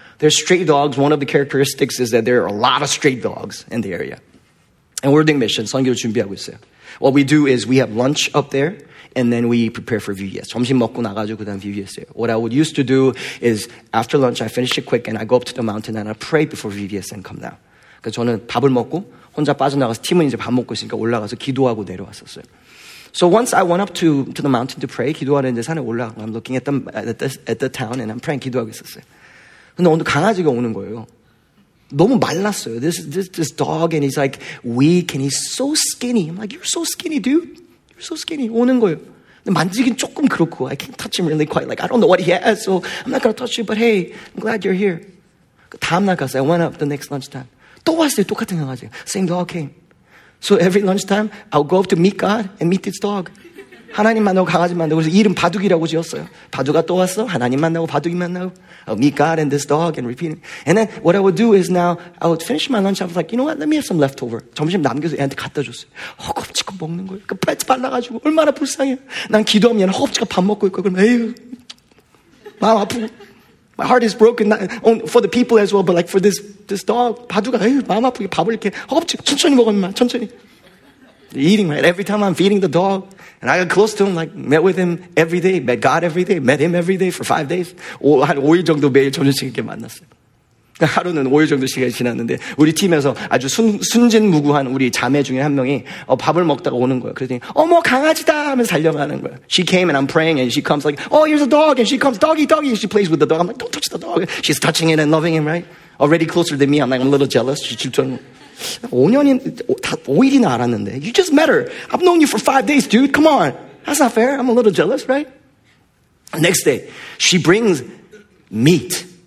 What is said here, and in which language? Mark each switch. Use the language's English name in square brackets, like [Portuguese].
[English] There's stray dogs. One of the characteristics is that there are a lot of stray dogs in the area. And we're doing mission. [Korean] 선교를 준비하고 있어요. [English] What we do is we have lunch up there. And then we prepare for VBS. [Korean] 점심 먹고 나가지고 그다음 VBS예요. [English] What I would used to do is after lunch, I finish it quick and I go up to the mountain and I pray before VBS and come down. [Korean] 그러니까 저는 밥을 먹고 혼자 빠져나가서 팀은 이제 밥 먹고 있으니까 올라가서 기도하고 내려왔었어요. [English] So once I went up to the mountain to pray, [Korean] 기도하는데 산에 올라가고 [English] I'm looking at the town and I'm praying, [Korean] 기도하고 있었어요. 근데 오늘 강아지가 오는 거예요. 너무 말랐어요. [English] This dog and he's like weak and he's so skinny. I'm like, you're so skinny, dude. So skinny, [Korean] 오는 거예요. 근데 만지긴 조금 그렇고, [English] I can't touch him really quite. Like, I don't know what he has, so I'm not gonna touch you, but hey, I'm glad you're here. [Korean] 그 다음날 갔어요. [English] I went up the next lunchtime. [Korean] 또 왔어요. 똑같은 강아지. [English] Same dog came. So every lunchtime, I'll go up to meet God and meet this dog. [Korean] 하나님 만나고 강아지 만나고, 그래서 이름 바둑이라고 지었어요. 바둑아 또 왔어. 하나님 만나고 바둑이 만나고. [English] I'll meet God and this dog and repeat it. And then what I would do is now, I would finish my lunch. I was like, you know what? Let me have some leftover. [Korean] 점심 남겨서 애한테 갖다 줬어요. 허겁지겁 먹는 거예요. 그 배지 발라가지고 얼마나 불쌍해. 난 기도하면 얘는 허겁지겁 밥 먹고 있고. 그러면 에휴, 마음 아프고. [English] My heart is broken not for the people as well, but like for this dog. [Korean] 바둑아, 에휴, 마음 아프게 밥을 이렇게 허겁지겁 천천히 먹어, 인마. 천천히. [English] Eating, right? Every time I'm feeding the dog. And I got close to him, like, met with him every day, met God every day, met him every day for 5 days. [Korean] 한 5일 정도 매일 점심시간 이렇게 만났어요. 하루는 5일 정도 시간이 지났는데, 우리 팀에서 아주 순진무구한 우리 자매 중에 한 명이 밥을 먹다가 오는 거예요. 그랬더니, 어머, 강아지다! 하면서 달려가는 거예요. [English] She came and I'm praying and she comes like, oh, here's a dog! And she comes, doggy, doggy! And she plays with the dog. I'm like, don't touch the dog. She's touching it and loving him, right? Already closer than me. I'm like, I'm a little jealous. She's [Korean] 질투하는 거예요. 5일이나 알았는데. [English] You just met her. I've known you for 5 days, dude. Come on. That's not fair. I'm a little jealous, right? Next day, she brings meat.